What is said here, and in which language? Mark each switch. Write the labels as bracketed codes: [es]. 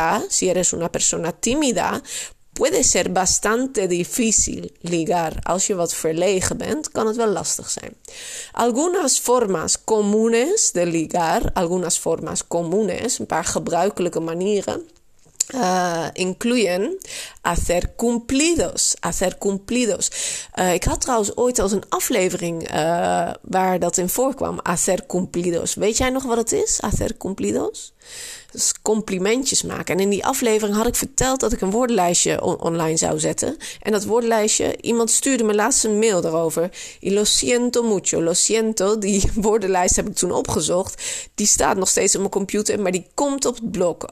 [es] Si eres una persona tímida, puede ser bastante difícil ligar. [nl] Als je wat verlegen bent, kan het wel lastig zijn. [es] Algunas formas comunes de ligar, algunas formas comunes, [nl] een paar gebruikelijke manieren, [es] incluyen hacer cumplidos. [nl] Hacer cumplidos. Ik had trouwens ooit al een aflevering waar dat in voorkwam. Hacer cumplidos. Weet jij nog wat het is? Hacer cumplidos? Dat is complimentjes maken. En in die aflevering had ik verteld dat ik een woordenlijstje online zou zetten. En dat woordenlijstje, iemand stuurde me laatst een mail daarover. [es] Y lo siento mucho, lo siento. [nl] Die woordenlijst heb ik toen opgezocht. Die staat nog steeds op mijn computer, maar die komt op het blog.